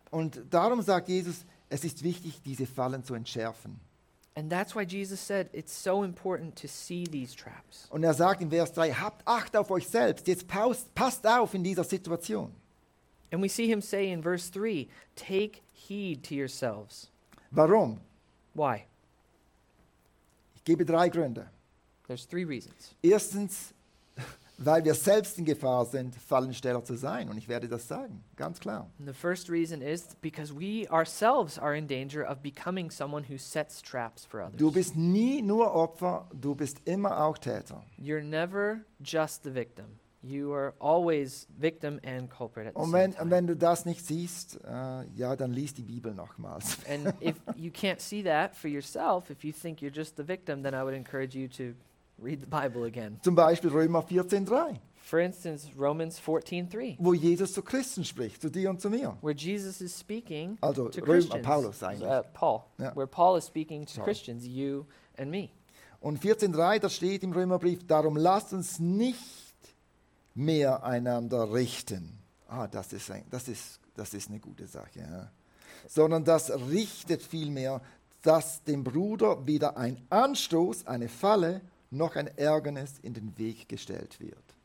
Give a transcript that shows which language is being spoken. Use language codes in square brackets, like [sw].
[de] Und darum sagt Jesus, es ist wichtig, diese Fallen zu entschärfen. [en] And that's why Jesus said it's so important to see these traps. [de] Und sagt in Vers 3, habt Acht auf euch selbst. Jetzt passt auf in dieser Situation. [en] And we see him say in verse 3, take heed to yourselves. [de] Warum? [en] Why? [de] Ich gebe drei Gründe. [en] There's three reasons. [de] Erstens, weil wir selbst in Gefahr sind, Fallensteller zu sein. Und ich werde das sagen, ganz klar. [en] And the first reason is because we ourselves are in danger of becoming someone who sets traps for others. [de] Du bist nie nur Opfer, du bist immer auch Täter. [en] You're never just the victim. You are always victim and culprit at the same time. [de] Und wenn du das nicht siehst, ja, dann lies die Bibel nochmals. [en] And if you can't see that for yourself, if you think you're just the victim, then I would encourage you to read the Bible again. [de] Zum Beispiel Römer 14:3. [en] For instance, Romans 14:3. [de] Wo Jesus zu Christen spricht, zu dir und zu mir. [en] Where Jesus is speaking also to Christians. [de] Also Paulus eigentlich. [en] Paul. [de] Ja. [en] Where Paul is speaking to Christians, you and me. [de] Und 14:3, da steht im Römerbrief, darum lasst uns nicht mehr einander richten. Ah, das ist eine gute Sache, ja. Sondern das richtet vielmehr, dass dem Bruder wieder ein Anstoß, eine Falle noch ein Ärgernis in den Weg gestellt wird.